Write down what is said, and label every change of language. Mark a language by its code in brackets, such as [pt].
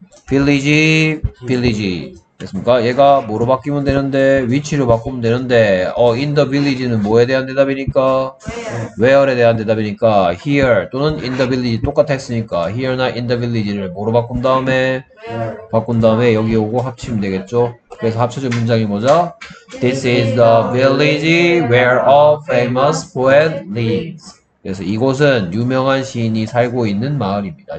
[ko] village, village. 됐습니까? 얘가 뭐로 바뀌면 되는데, 위치로 바꾸면 되는데, [en] in the village [ko] 는 뭐에 대한 대답이니까? where에 대한 대답이니까, here 또는 in the village 똑같았으니까, here나 in the village를 뭐로 바꾼 다음에, 바꾼 다음에 여기 오고 합치면 되겠죠? 그래서 합쳐진 문장이 뭐죠? [en] This is the village where a famous poet lives. [ko] 그래서 이곳은 유명한 시인이 살고 있는 마을입니다.